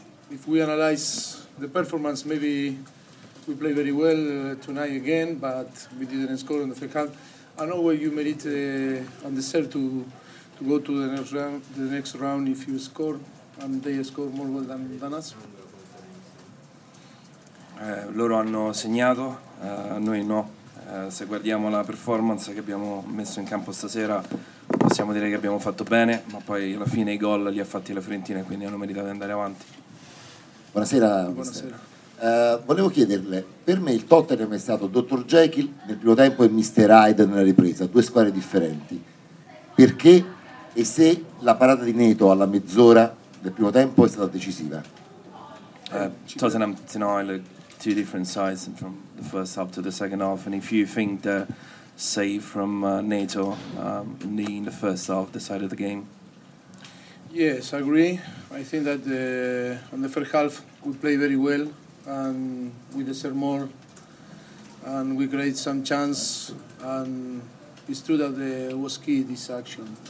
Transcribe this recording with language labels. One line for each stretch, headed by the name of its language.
English: If we analyze the performance, maybe we play very well tonight again, but we didn't score in the first half. I know where you merit and deserve to go to the next round if you score, and they score more well than us.
Italian: Loro hanno segnato, noi no. Se guardiamo la performance che abbiamo messo in campo stasera, possiamo dire che abbiamo fatto bene, ma poi alla fine i gol li ha fatti la Fiorentina, quindi hanno meritato di andare avanti. Buonasera. Volevo chiederle, per me il Tottenham è stato Dr. Jekyll nel primo tempo e Mr. Hyde nella ripresa, due squadre differenti. Perché e se la parata di Neto alla mezz'ora del primo tempo è stata decisiva?
English: Tottenham tonight look two different sides from the first half to the second half, and if you think the save from Neto in the first half decided the game. Yes, I agree. I think that on the first half we played very well and we deserve more and we create some chance, and it's true that there was key this action.